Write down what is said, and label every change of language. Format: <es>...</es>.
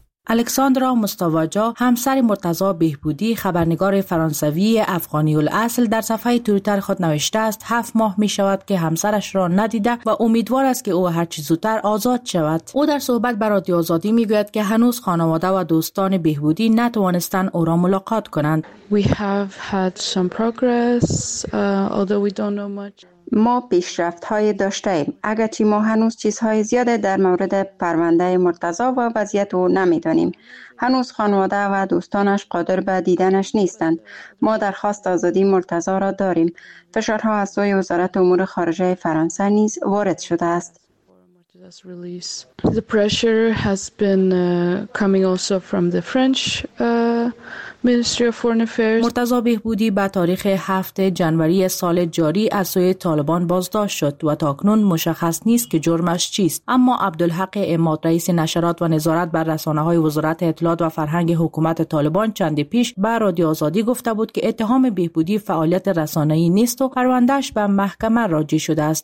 <fa>الکساندرا مستواجا، همسر مرتضی بهبودی، خبرنگار فرانسوی افغانی الاصل در صفحه توییتر خود نوشته است 7 ماه می شود که همسرش را ندیده و امیدوار است که او هرچی زودتر آزاد شود. او در صحبت بر رادیو آزادی می گوید که هنوز خانواده و دوستان بهبودی نتوانستن او را ملاقات کنند.</fa> <en>We have had some progress, although we don't know much.</en> <fa>ما پیشرفت های داشته ایم، اگرچه ما هنوز چیزهای زیاده در مورد پرونده مرتضی و وضعیت او نمیدانیم. هنوز خانواده و دوستانش قادر به دیدنش نیستند. ما درخواست آزادی مرتضی را داریم. فشارها از سوی وزارت امور خارجه فرانسه نیز وارد شده است.</fa> <en>The pressure has been coming also from the French Ministry of Foreign Affairs.</en> <fa>مرتضی بهبودی به تاریخ 7 جنوری سال جاری از سوی طالبان بازداشت شد و تاکنون مشخص نیست که جرمش چیست. اما عبدالحق اماد، رئیس نشرات و نظارت بر رسانه‌های وزارت اطلاعات و فرهنگ حکومت طالبان، چند پیش به رادیو آزادی گفته بود که اتهام بهبودی فعالیت رسانه‌ای نیست و پرونده‌اش به محکمه راجع شده است.</fa>